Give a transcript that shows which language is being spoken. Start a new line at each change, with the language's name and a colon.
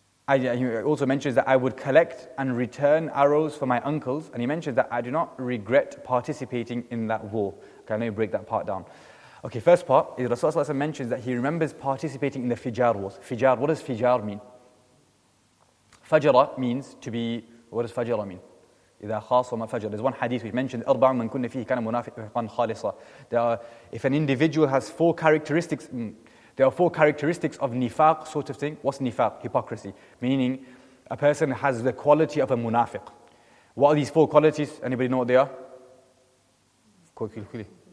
English: He also mentions that I would collect and return arrows for my uncles, and he mentions that I do not regret participating in that war. Okay, let me break that part down. Okay, first part is Rasulullah mentions that he remembers participating in the Fijar Wars. Fijar, what does Fijar mean? Fajra means to be, what does Fajra mean?
Arabic: إِذَا خَاصَمَ فَجَرَ. There's one hadith which mentions, أَرْبَعَ مَنْ كُنَّ فِيهِ كَانَ مُنَافِقًا خَالِصًا.
English: There are, if an individual has four characteristics, there are four characteristics of nifaq sort of thing. What's nifaq? Hypocrisy. Meaning, a person has the quality of a munafiq. What are these four qualities? Anybody know what they are? Quickly.